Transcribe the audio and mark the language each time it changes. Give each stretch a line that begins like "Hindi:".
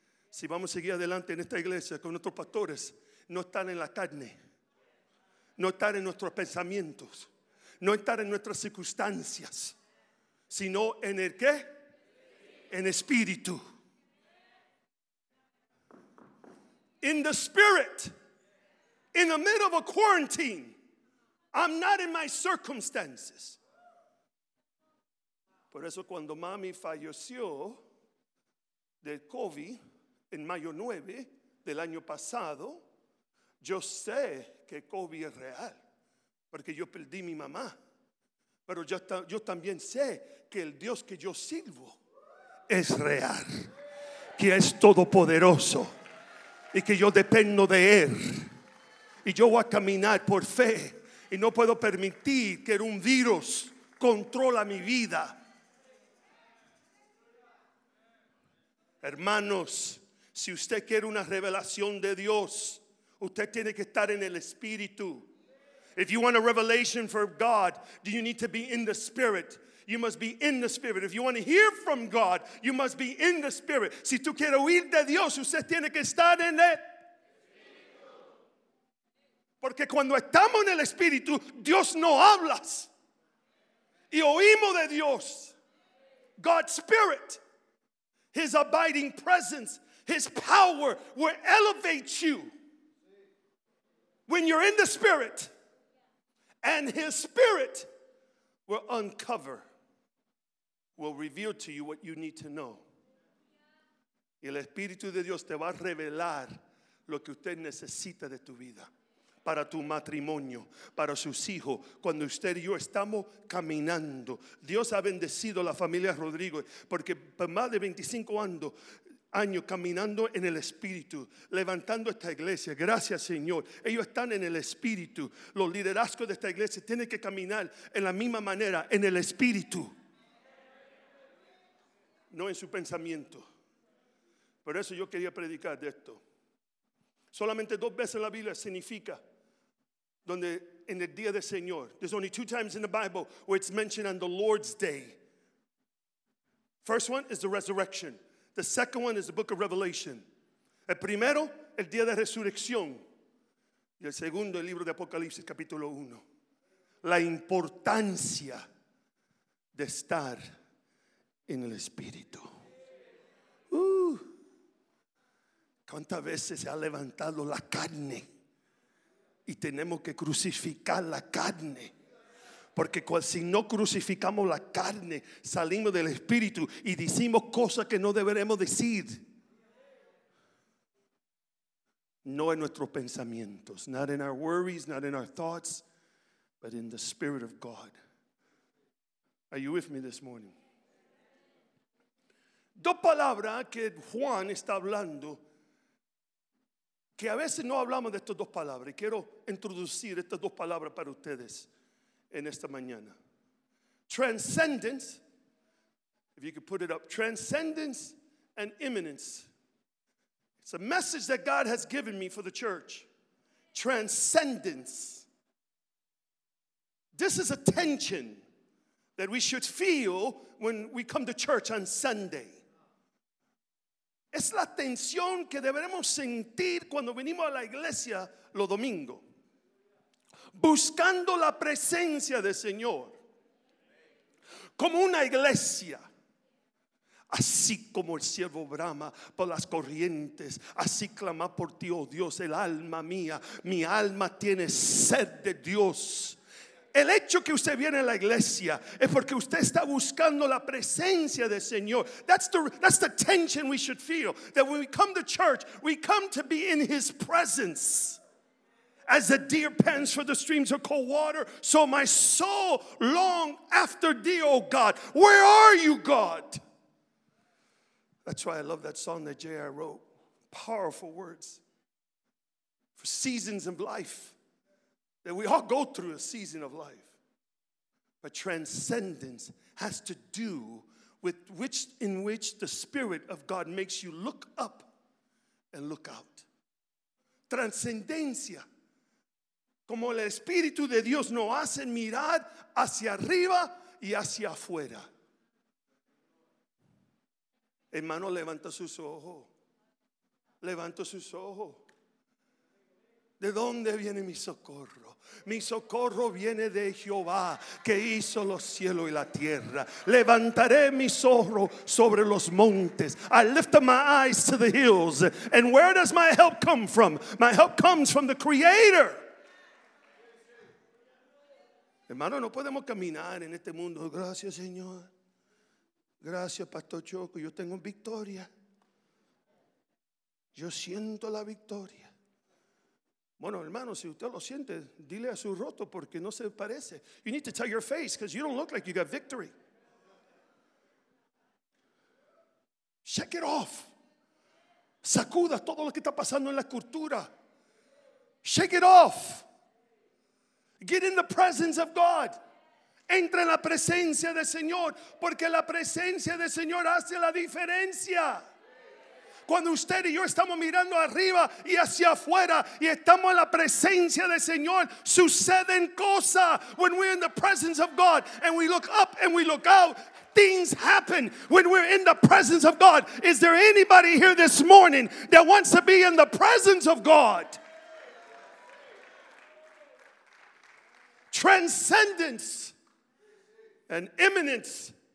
Spanish: Si vamos a seguir adelante en esta iglesia con nuestros pastores, no estar en la carne, no estar en nuestros pensamientos, no estar en nuestras circunstancias, sino en el qué? En espíritu.
English: In the spirit, in the middle of a quarantine, I'm not in my circumstances.
Spanish: Por eso cuando mami falleció del COVID en mayo 9 del año pasado, yo sé que COVID es real, porque yo perdí mi mamá. Pero yo también sé que el Dios que yo sirvo es real, que es todopoderoso y que yo dependo de Él. Y yo voy a caminar por fe y no puedo permitir que un virus controle mi vida. Hermanos, si usted quiere una revelación de Dios, usted tiene que estar en el espíritu.
English: If you want a revelation from God, do you need to be in the spirit? You must be in the spirit. If you want to hear from God, you must be in the spirit.
Spanish: Si tú quieres oír de Dios, usted tiene que estar en el espíritu. Porque cuando estamos en el espíritu, Dios no habla. Y oímos de Dios.
English: God's spirit, His abiding presence, His power will elevate you when you're in the spirit, and His spirit will uncover, will reveal to you what you need to know.
Spanish: Y el Espíritu de Dios te va a revelar lo que usted necesita de tu vida, para tu matrimonio, para sus hijos. Cuando usted y yo estamos caminando, Dios ha bendecido a la familia Rodrigo, porque por más de 25 años caminando en el espíritu, levantando esta iglesia. Gracias, Señor. Ellos están en el espíritu. Los liderazgos de esta iglesia tienen que caminar en la misma manera, en el espíritu, no en su pensamiento. Por eso yo quería predicar de esto. Solamente dos veces en la Biblia significa donde en el día del Señor.
English: There's only two times in the Bible where it's mentioned on the Lord's Day. First one is the resurrection. The second one is the book of Revelation.
Spanish: El primero, el día de resurrección. Y el segundo, el libro de Apocalipsis, capítulo 1. La importancia de estar en el Espíritu. ¿Cuántas veces se ha levantado la carne y tenemos que crucificar la carne? Porque si no crucificamos la carne, salimos del espíritu y decimos cosas que no deberemos decir. No en nuestros pensamientos,
English: not in our worries, not in our thoughts, but in the spirit of God. Are you with me this morning?
Spanish: Dos palabras que Juan está hablando, que a veces no hablamos de estas dos palabras, y quiero introducir estas dos palabras para ustedes en esta mañana.
English: Transcendence, if you could put it up, transcendence and imminence. It's a message that God has given me for the church. Transcendence. This is a tension that we should feel when we come to church on Sunday.
Spanish: Es la tensión que deberemos sentir cuando venimos a la iglesia los domingos, buscando la presencia del Señor. Como una iglesia, así como el siervo brama por las corrientes, así clama por ti, oh Dios, el alma mía. Mi alma tiene sed de Dios. El hecho que usted viene a la iglesia es porque usted está buscando la presencia del Señor.
English: That's the tension we should feel. That when we come to church, we come to be in His presence. As a deer pants for the streams of cold water, so my soul long after thee, O God. Where are you, God? That's why I love that song that J.R. wrote. Powerful words. For seasons of life. That we all go through a season of life. But transcendence has to do with which in which the Spirit of God makes you look up and look out.
Spanish: Transcendencia. Como el Espíritu de Dios nos hace mirar hacia arriba y hacia afuera. Hermano, levanta sus ojos. Levanta sus ojos. ¿De dónde viene mi socorro? Mi socorro viene de Jehová que hizo los cielos y la tierra. Levantaré mis ojos sobre los montes.
English: I lift up my eyes to the hills. And where does my help come from? My help comes from the Creator.
Spanish: Hermano, no podemos caminar en este mundo. Gracias, Señor. Gracias, Pastor Choco. Yo tengo victoria. Yo siento la victoria. Bueno, hermano, si usted lo siente, dile a su rostro porque no se parece.
English: You need to tell your face because you don't look like you got victory. Shake it off.
Spanish: Sacuda todo lo que está pasando en la cultura.
English: Shake it off. Get in the presence of God.
Spanish: Entra en la presencia del Señor porque la presencia del Señor hace la diferencia. Cuando usted y yo estamos mirando arriba y hacia afuera y estamos en la presencia del Señor, suceden cosas.
English: When we're in the presence of God and we look up and we look out, things happen. When we're in the presence of God, is there anybody here this morning that wants to be in the presence of God? Transcendence and imminence.